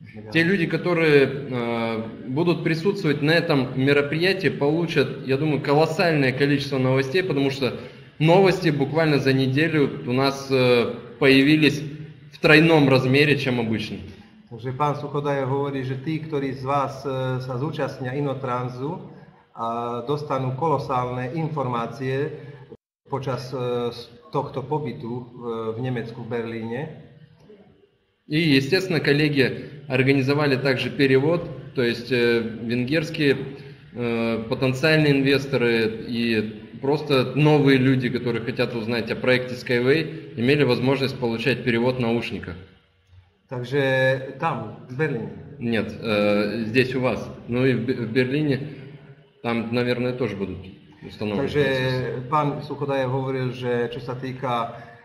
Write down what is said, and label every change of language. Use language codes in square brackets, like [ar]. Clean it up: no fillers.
[ru] Те люди, которые будут присутствовать на этом мероприятии, получат, я думаю, колоссальное количество новостей, потому что новости буквально за неделю у нас появились в тройном размере, чем обычно. [sk] Takže pán Suchodajev hovorí, že tí, ktorí z vás sa zúčastnia Inotransu, dostanú kolosálne informácie počas tohto pobytu v Nemecku, v Berlíne. [ru] I естественно, коллеги организовали также перевод, то есть венгерские потенциальные инвесторы и просто новые люди, которые хотят узнать о проекте Skyway, имели возможность получать перевод наушников. [sk] Takže tam, v Berlíne. [ru] Нет, здесь у вас. Ну и в Берлине там, наверное, тоже будут установлены. [sk] Takže pán Suchodajev hovoril, že čo sa týka...